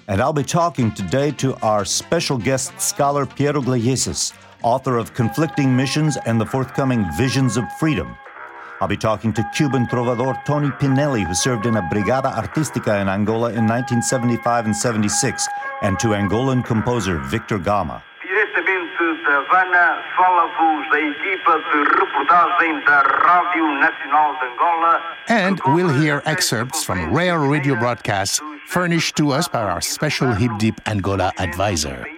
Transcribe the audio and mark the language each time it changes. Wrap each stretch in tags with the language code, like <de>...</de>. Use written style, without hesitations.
<en>And I'll be talking today to our special guest scholar, Piero Gleyesis, author of Conflicting Missions and the forthcoming Visions of Freedom. I'll be talking to Cuban trovador Tony Pinelli, who served in a Brigada Artística in Angola in 1975 and 76, and to Angolan composer Victor Gama.</en> <pt>Diretamente de Havana, fala-vos da equipa de reportagem da Rádio Nacional de Angola.</pt> <en>And we'll hear excerpts from rare radio broadcasts furnished to us by our special Hip Deep Angola advisor,</en>